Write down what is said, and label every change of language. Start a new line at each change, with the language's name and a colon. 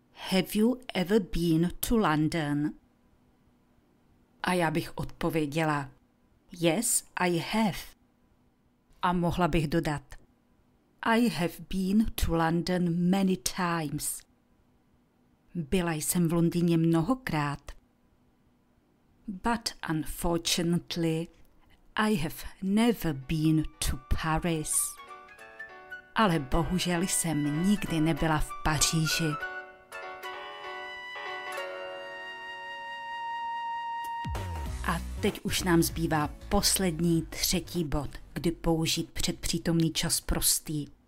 English: Have you ever been to London?
Czech: A já bych odpověděla.
English: Yes, I have.
Czech: A mohla bych dodat.
English: I have been to London many times.
Czech: Byla jsem v Londýně mnohokrát.
English: But unfortunately, I have never been to Paris.
Czech: Ale bohužel jsem nikdy nebyla v Paříži. A teď už nám zbývá poslední, třetí bod, kdy použít předpřítomný čas prostý.